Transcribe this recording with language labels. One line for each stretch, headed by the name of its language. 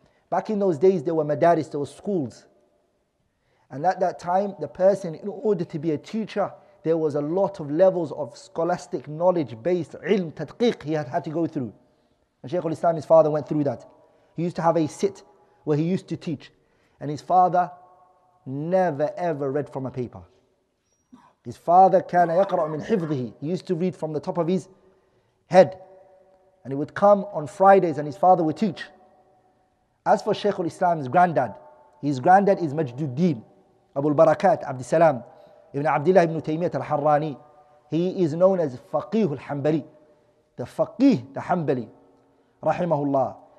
English: Back in those days, there were madaris, there were schools. And at that time, the person, in order to be a teacher, there was a lot of levels of scholastic knowledge-based ilm, tadqiq, he had to go through. And Shaykh al-Islam, his father, went through that. He used to have a sit where he used to teach. And his father never ever read from a paper. His father,
Arabic: كان يقرأ من حفظه.
English: He used to read from the top of his head, and he would come on Fridays and his father would teach. As for Shaykh al-Islam's granddad, his granddad is Majduddin Abu al-Barakat Abdul Salam Ibn Abdullah Ibn Taymiyyah al-Harrani. He is known as Faqih al-Hanbali, the Faqih the Hanbali, rahimahullah.